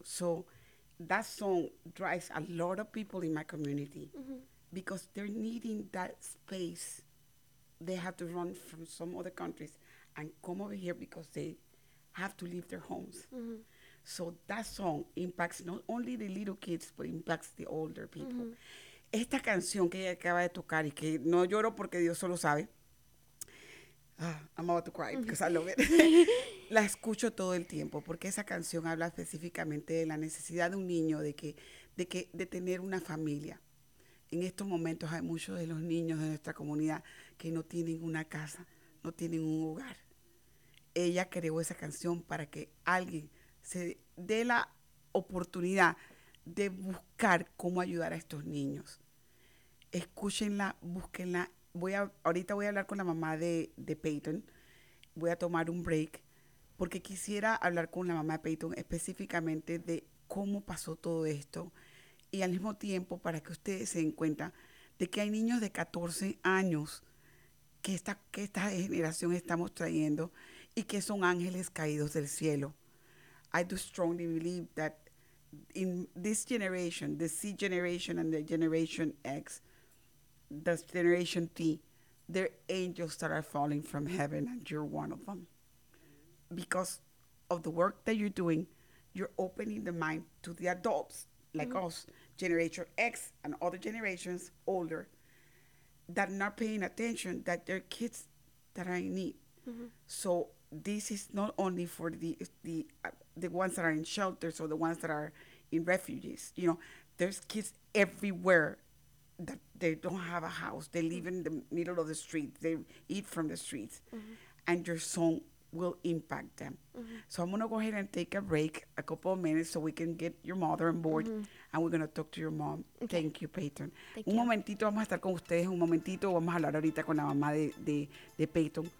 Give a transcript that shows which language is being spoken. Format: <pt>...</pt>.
<en>So that song drives a lot of people in my community mm-hmm. because they're needing that space. They have to run from some other countries and come over here because they have to leave their homes. Mm-hmm. So that song impacts not only the little kids, but impacts the older people. Mm-hmm.</en> <es>Esta canción que ella acaba de tocar y que no lloro porque Dios solo sabe.</es> <en>I'm about to cry because I love it.</en> <es>La escucho todo el tiempo porque esa canción habla específicamente de la necesidad de un niño de tener una familia. En estos momentos hay muchos de los niños de nuestra comunidad que no tienen una casa, no tienen un hogar. Ella creó esa canción para que alguien se dé la oportunidad de buscar cómo ayudar a estos niños. Escúchenla, búsquenla. Ahorita voy a hablar con la mamá de Peyton. Voy a tomar un break porque quisiera hablar con la mamá de Peyton específicamente de cómo pasó todo esto. Y al mismo tiempo, para que ustedes se den cuenta de que hay niños de 14 años que esta generación estamos trayendo y que son ángeles caídos del cielo.</es> <en>I do strongly believe that in this generation, the Z generation and the generation X, the generation T, they're angels that are falling from heaven and you're one of them. Because of the work that you're doing, you're opening the mind to the adults like us, Generation X and other generations older, that are not paying attention, that they're kids that are in need. Mm-hmm. So this is not only for the ones that are in shelters or the ones that are in refugees. You know, there's kids everywhere that they don't have a house. They live in the middle of the street. They eat from the streets. Mm-hmm. And your song will impact them. Mm-hmm. So I'm going to go ahead and take a break, a couple of minutes, so we can get your mother on board. Mm-hmm. And we're going to talk to your mom. Okay. Thank you, Peyton. Thank you.</en> <es>Un momentito, vamos a estar con ustedes. Un momentito, vamos a hablar ahorita con la mamá de Peyton.</es>